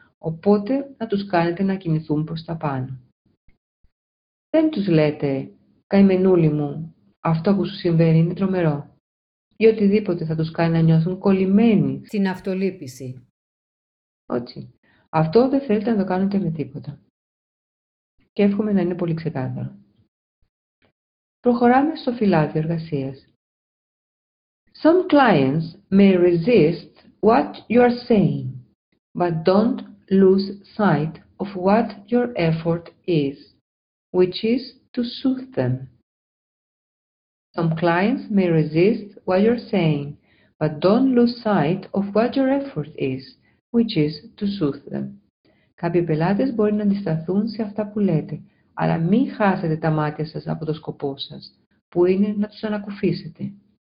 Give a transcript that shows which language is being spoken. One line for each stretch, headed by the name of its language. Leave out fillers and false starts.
Greek: Οπότε, να τους κάνετε να κινηθούν προς τα πάνω. Δεν τους λέτε, καημενούλη μου, αυτό που σου συμβαίνει είναι τρομερό. Ή οτιδήποτε θα τους κάνει να νιώθουν κολλημένοι. Στην αυτολύπηση. Όχι. Αυτό δεν θέλετε να το κάνετε με τίποτα. Και εύχομαι να είναι πολύ ξεκάθαρο. Προχωράμε στο φυλάδιο εργασίας.
English: Some clients may resist what you are saying, but don't lose sight of what your effort is, which is to soothe them. Some clients may resist what you're saying, but don't lose sight of what your effort is, which is to soothe them.
Greek: Κάποιοι πελάτες μπορεί να αντισταθούν σε αυτά που λέτε, αλλά μην χάσετε τα μάτια σας από το σκοπό σας, που είναι να τους ανακουφίσετε.